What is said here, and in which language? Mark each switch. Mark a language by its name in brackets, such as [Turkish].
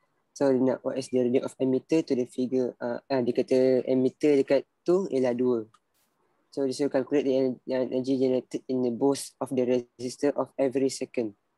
[English] So [Malay] dia nak [English] what is the reading of ammeter to the figure. [Malay] Dia kata ammeter dekat tu ialah 2. [English] So [Malay] dia suruh [English] calculate the energy generated in the both of the resistor of every second.